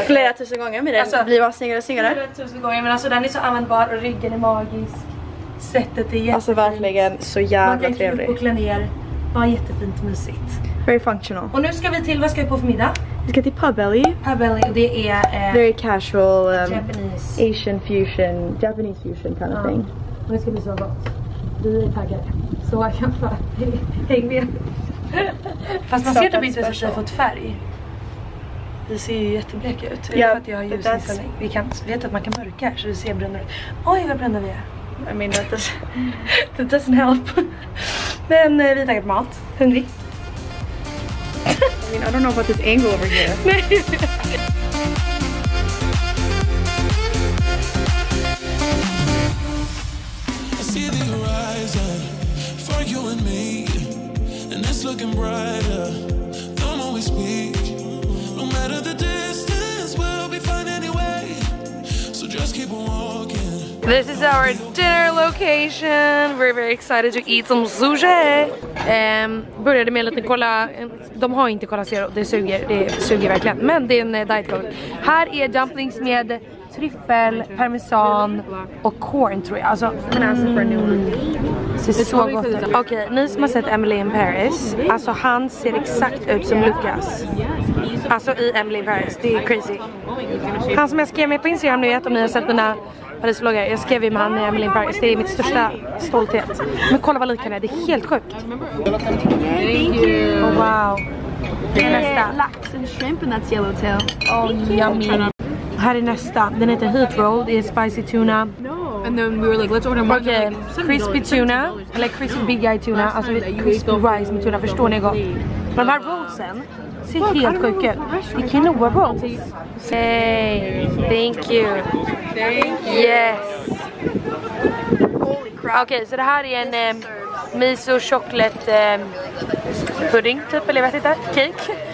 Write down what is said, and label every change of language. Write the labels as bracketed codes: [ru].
[sv] flera tusen gånger med den. Alltså, blir bara snyggare och snyggare. Flera tusen gånger, men alltså den är så användbar och ryggen är magisk. Sättet är jättefint. Alltså verkligen så jävla trevlig. Man kan klä upp och klä ner. Jättefint mysigt. [en] Very functional. [sv] Och nu ska vi till, vad ska vi på för middag? Vi ska till Pubbelly. Pubbelly, och det är [en] very casual Japanese. Asian fusion, Japanese fusion kind of thing. [sv] Och det ska bli så gott. Vi är taggade. Så jag kan bara häng med. Fast man ser inte att vi har fått färg. Vi ser ju jättebleka ut. Det är för att jag har ljusinställning. Vi kan, vet att man kan mörka här, så vi ser bränder. Oj, vad bränder vi är. [en] I mean, that doesn't help. [sv] Men vi är taggade på mat. Hungrig. [en] I mean, I don't know about this angle over here. I see the horizon for you and me, and it's looking brighter. Don't always speak, no matter the distance, we'll be fine anyway. So just keep on walking. This is our dinner location. We're very excited to eat some sushi. [sv] Började med en liten kolla. De har inte kolla zero. Det suger verkligen. Men det är en diet coke. Här är dumplings med tryffel, parmesan och corn tror jag. Alltså, det ser så gott ut. Okej, ni som har sett Emily in Paris. Alltså han ser exakt ut som Lucas. Alltså i Emily in Paris. Det är crazy. Han som jag skrev med på Instagram, ni vet om ni har sett den här. Jag skrev ju med han i Emily in Paris, det är mitt största stolthet. Men kolla vad lik han är, det är helt sjukt. [en] Thank you. Oh, wow. [sv] Det är nästa. [en] Lax and shrimp in that yellow tail. Oh, yummy. [sv] Här är nästa, den heter Heat Roll, det är spicy tuna. [en] and then we were like, let's order more. Okay, like, crispy tuna, like crispy no. Big guy tuna, [sv] alltså crispy rice med tuna, förstår ni gott? Men de här rollsen ser helt sjuk ut. Det är quinoa rolls. [en] Hey, thank you. Thank you. Yes. [sv] Okej, så det här är en miso chocolate pudding typ, eller jag vet inte, cake.